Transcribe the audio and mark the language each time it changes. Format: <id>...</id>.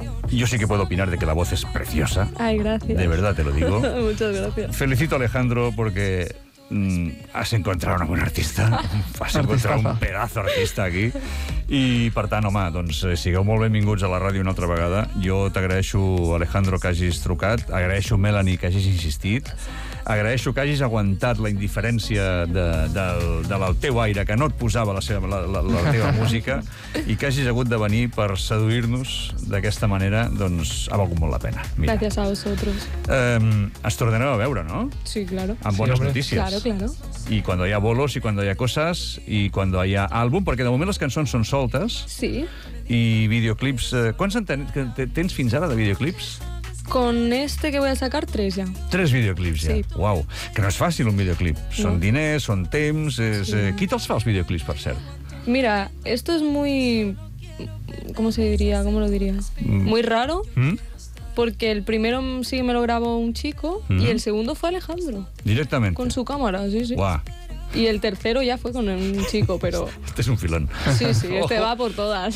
<es>Yo sí que puedo opinar de que la voz es preciosa. Ay, gracias. De verdad te lo digo. Muchas gracias. Felicito a Alejandro porque has encontrado una buena artista. Has encontrado un pedazo artista aquí.</es> <ca>I, per tant, home, doncs sigueu molt benvinguts a la ràdio una altra vegada. Jo t'agraeixo, Alejandro, que hagis trucat. Agraeixo, Melanie, que hagis insistit. Agraeixo que hagis aguantat la indiferència del teu aire, que no et posava la teva música, i que hagis hagut de venir per seduir-nos d'aquesta manera, doncs ha valgut molt la pena.</ca> <es>Mira. Gracias a vosotros.</es> <ca>Es tornarem a veure, no?</ca> <es>Sí, claro.</es> <ca>Amb bones notícies.</ca> <es>Claro, claro.</es> <ca>I quan hi ha bolos, i quan hi ha coses, i quan hi ha àlbum, perquè de moment les cançons són soltes. Sí. I videoclips... quants en tens fins ara de videoclips?</ca> <es>Con este que voy a sacar, 3 ya.</es> <ca>3 videoclips ja. Sí. Uau, que no és fàcil un videoclip. Són diners, són temps... És, sí. Qui te'ls fa els videoclips, per cert?</ca> <es>Mira, esto es muy... ¿Cómo se diría? ¿Cómo lo diría? Muy raro, porque el primero sí me lo grabó un chico y el segundo fue Alejandro. Directamente. Con su cámara, sí, sí. Uau. Y el tercero ya fue con un chico, pero... Este es un filón. Sí, sí, este va por todas.</es>